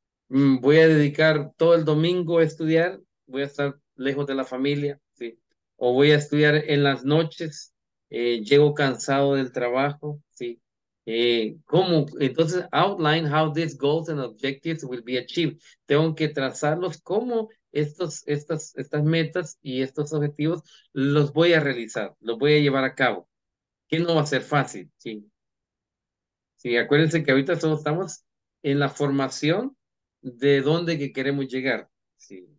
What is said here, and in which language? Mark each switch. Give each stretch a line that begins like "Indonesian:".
Spanish: Voy a dedicar todo el domingo a estudiar, voy a estar lejos de la familia, ¿sí? O voy a estudiar en las noches, llego cansado del trabajo, ¿sí? ¿Cómo?
English: Entonces, outline how these goals and objectives will be achieved.
Spanish: Tengo que trazarlos, cómo estas metas y estos objetivos los voy a realizar, los voy a llevar a cabo, que no va a ser fácil, ¿sí? Sí, acuérdense que ahorita solo estamos en la formación de dónde que queremos llegar, ¿sí?